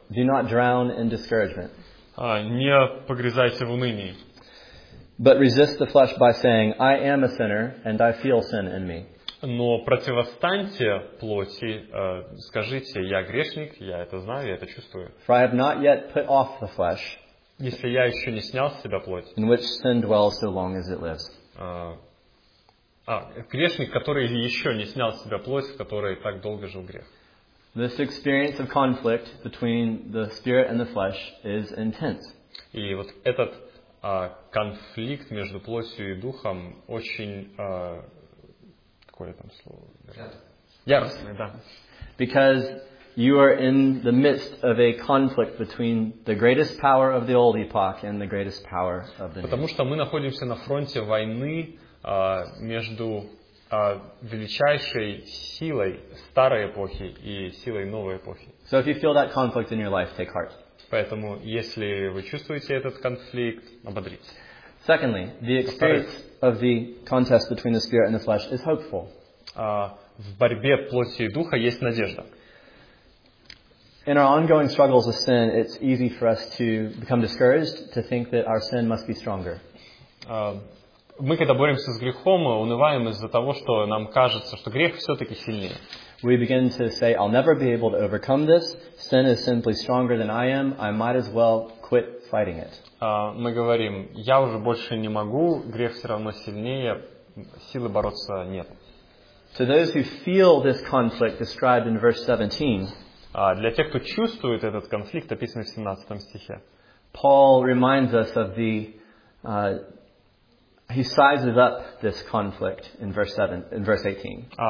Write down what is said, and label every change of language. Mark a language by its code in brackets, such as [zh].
[en] do not drown in discouragement. [ru] Не погрязайте в унынии. [en] But resist the flesh by saying, I am a sinner and I feel sin in me. [ru] Но противостаньте плоти, скажите, я грешник, я это знаю, я это чувствую. [en] For I have not yet put off the flesh, [ru] если я еще не снял с себя плоть, [en] in which sin dwells so long as it lives. [ru] Грешник, который еще не снял с себя плоть, в которой так долго жил грех. [en] This experience of conflict between the spirit and the flesh is intense. [ru] И вот этот конфликт между плотью и духом очень какое там слово? Яростный, да. [en] Because you are in the midst of a conflict between the greatest power of the old epoch and the greatest power of the new. [ru] Потому что мы находимся на фронте войны между величайшей силой старой эпохи и силой новой эпохи. [en] So if you feel that conflict in your life, take heart. [ru] Поэтому, если вы чувствуете этот конфликт, ободритесь. [en] Secondly, the experience of the contest between the spirit and the flesh is hopeful. [ru] В борьбе плоти и духа есть надежда. [en] In our ongoing struggles with sin, it's easy for us to become discouraged, to think that our sin must be stronger. [ru] Мы, когда боремся с грехом, мы унываем из-за того, что нам кажется, что грех все-таки сильнее. [en] We begin to say, I'll never be able to overcome this. Sin is simply stronger than I am. I might as well quit fighting it. [ru] Мы говорим, я уже больше не могу, грех все равно сильнее, силы бороться нет. [en] To those who feel this conflict described in verse 17, [ru] для тех, кто чувствует этот конфликт, описанный в 17 стихе, [en] Paul reminds us of the He sizes up this conflict in verse 18.